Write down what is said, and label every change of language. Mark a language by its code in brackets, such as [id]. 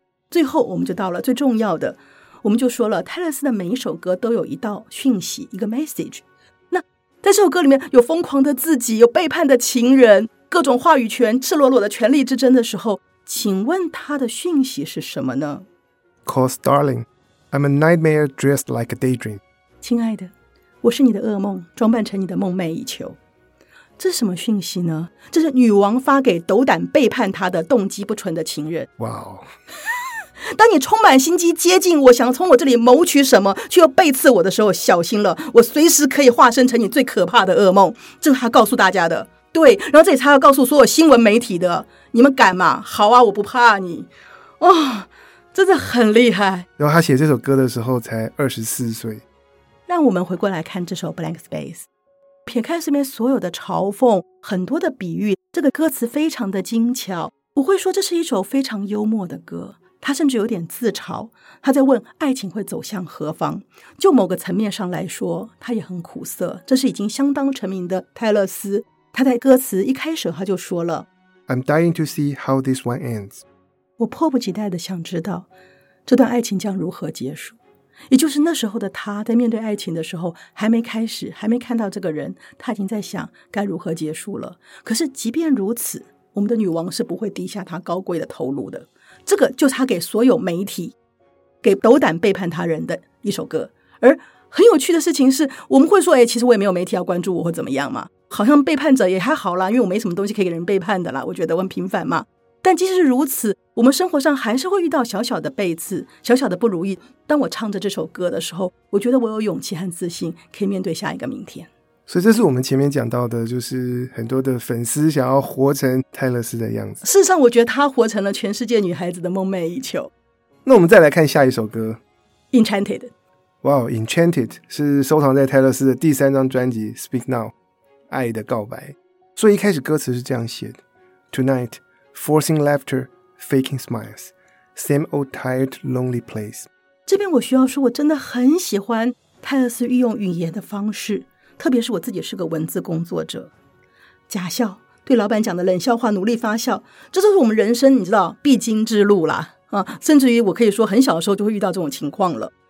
[zh] 最后我们就到了最重要的，我们就说了泰勒斯的每一首歌都有一道讯息，一个 message。那在这首歌里面有疯狂的自己，有背叛的情人，各种话语权，赤裸裸的权力之争的时候，请问他的讯息是什么呢？ [en] Cause darling, I'm a nightmare dressed like a daydream. [zh] 亲爱的，我是你的噩梦，装扮成你的梦寐以求。这是什么讯息呢？这是女王发给斗胆背叛她的动机不纯的情人。哇哦！当你充满心机接近我，想从我这里谋取什么，却又背刺我的时候，小心了，我随时可以化身成你最可怕的噩梦。这是他告诉大家的。对，然后这里他要告诉所有新闻媒体的，你们敢吗？好啊，我不怕你。哦，真的很厉害。然后他写这首歌的时候才24岁。让我们回过来看这首 Blank Space。撇开身边所有的嘲讽，很多的比喻，这个歌词非常的精巧，我会说这是一首非常幽默的歌。他甚至有点自嘲，他在问爱情会走向何方。就某个层面上来说，他也很苦涩，这是已经相当成名的泰勒斯。他在歌词一开始他就说了 [en] I'm dying to see how this one ends， [zh] 我迫不及待的想知道这段爱情将如何结束。也就是那时候的他在面对爱情的时候，还没开始，还没看到这个人，他已经在想该如何结束了。可是即便如此，我们的女王是不会低下她高贵的头颅的。这个就是他给所有媒体，给斗胆背叛他人的一首歌。而很有趣的事情是，我们会说，哎，其实我也没有媒体要关注我或怎么样嘛，好像背叛者也还好啦，因为我没什么东西可以给人背叛的啦，我觉得我很平凡嘛。但即使如此，我们生活上还是会遇到小小的背刺，小小的不如意。当我唱着这首歌的时候，我觉得我有勇气和自信可以面对下一个明天。所以这是我们前面讲到的，就是很多的粉丝想要活成泰勒斯的样子。事实上我觉得他活成了全世界女孩子的梦寐以求。那我们再来看下一首歌 Enchanted。哇、wow, Enchanted 是收藏在泰勒斯的第三张专辑 Speak Now， 爱的告白。所以一开始歌词是这样写的， [en] TonightForcing laughter, faking smiles, same old tired lonely place。 [zh] 这边我需要说，我真的很喜欢泰勒斯运用语言的方式，特别是我自己是个文字工作者，假笑，对老板讲的冷笑话努力发笑，这都是我们人生你知道必经之路啦、啊、甚至于我可以说很小的时候就会遇到这种情况了。